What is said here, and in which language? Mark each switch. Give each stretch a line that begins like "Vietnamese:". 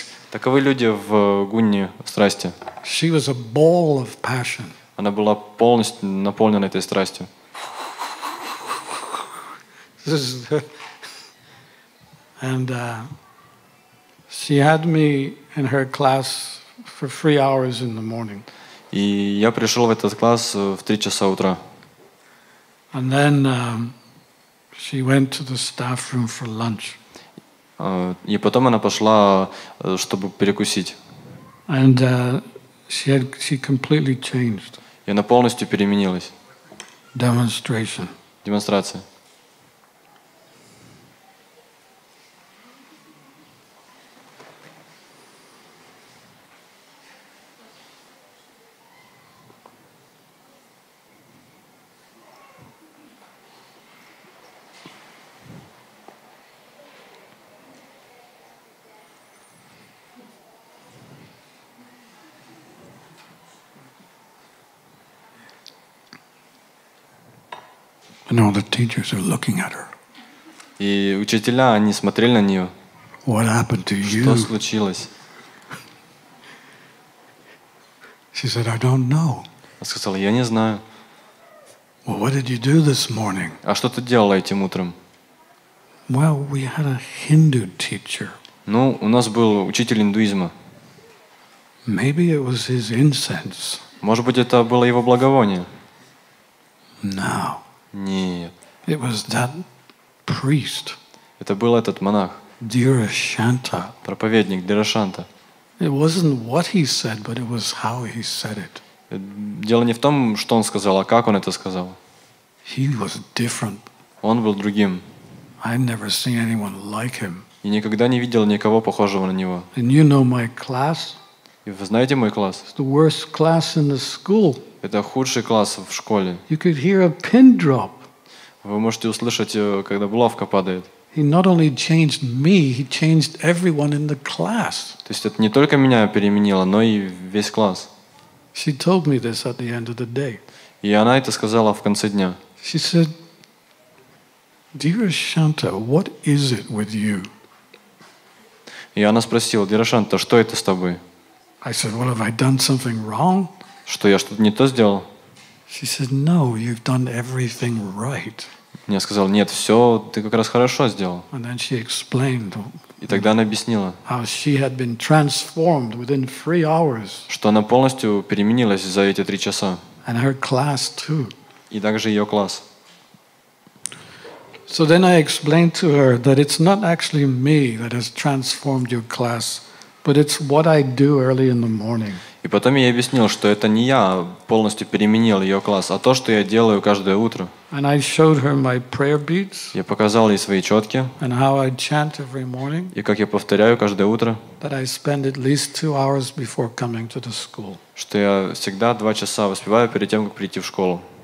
Russian: Таковы люди в гуне страсти.
English: She was a ball of passion.
Russian: Она была полностью наполнена этой страстью.
English: And she had me in her class. For 3 hours in the morning.
Russian: И я пришел в этот класс в 3 часа утра.
English: And then she went to the staff room for lunch.
Russian: И потом она пошла, чтобы перекусить.
English: And she completely changed.
Russian: И она полностью переменилась.
English: Demonstration.
Russian: Демонстрация.
English: And all the teachers are looking at her.
Russian: И учителя, они смотрели на нее.
English: What happened to you?
Russian: Что случилось?
English: She said, "I don't know."
Russian: Она сказала, я не знаю.
English: Well, what did you do this morning?
Russian: А что ты делала этим утром?
English: Well, we had a Hindu teacher.
Russian: Ну, у нас был учитель индуизма.
English: Maybe it was his incense.
Russian: Может быть, это было его благовоние.
English: No.
Russian: Нет.
English: It was that priest.
Russian: Это был этот монах. Дирашанта. Проповедник Дирашанта.
English: It wasn't what he said, but it was how he said it.
Russian: Дело не в том, что он сказал, а как он это сказал.
English: He was different.
Russian: Он был другим.
English: I've never seen anyone like him.
Russian: И никогда не видел никого похожего на него.
English: And you know my class?
Russian: И вы знаете мой класс?
English: It's the worst class in the school.
Russian: Это худший класс в школе.
English: You could hear a pin drop.
Russian: Вы можете услышать, когда булавка падает.
English: He not only changed me, he changed everyone in the class.
Russian: То есть это не только меня переменило, но и весь класс.
English: She told me this at the end of the day.
Russian: И она это сказала в конце дня.
English: She said, "Dear Shanta, what is it with you?"
Russian: И она спросила: «Дирашанта, что это с тобой?»
English: I said, well, have I done something wrong?
Russian: Что, я что-то не то сделал?
English: She said, no, you've done everything right.
Russian: Мне сказал: нет, все ты как раз хорошо сделал.
English: And then she explained,
Russian: и тогда она объяснила,
English: how she had been transformed within three hours.
Russian: Что она полностью переменилась за эти 3 часа.
English: And her class too.
Russian: И также ее класс.
English: So then I explained to her that it's not actually me that has transformed your class, but it's what I do early in the morning.
Russian: И потом я объяснил, что это не я полностью переменил ее класс, а то, что я делаю каждое утро.
English: And I showed her my prayer beads.
Russian: Я показал ей свои четки.
English: And how I chant every morning.
Russian: И как я повторяю каждое утро.
English: That I spend at least 2 hours before coming to the school.
Russian: Что я всегда 2 часа воспеваю перед тем, как прийти в школу.